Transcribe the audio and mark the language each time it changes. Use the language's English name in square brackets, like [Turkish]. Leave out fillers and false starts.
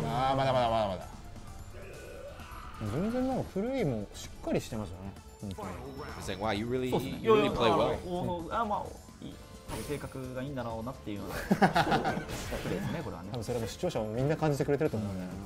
[Japanese] Ah, まだまだまだまだ。全然もう古いもしっかりしてますよね。 [English] He's saying, "Wow, you really, you really play well." [Japanese] あ、まあ、性格がいいんだろうなっていうのは。プレイですね、これはね。多分それも視聴者もみんな感じてくれてると思うね。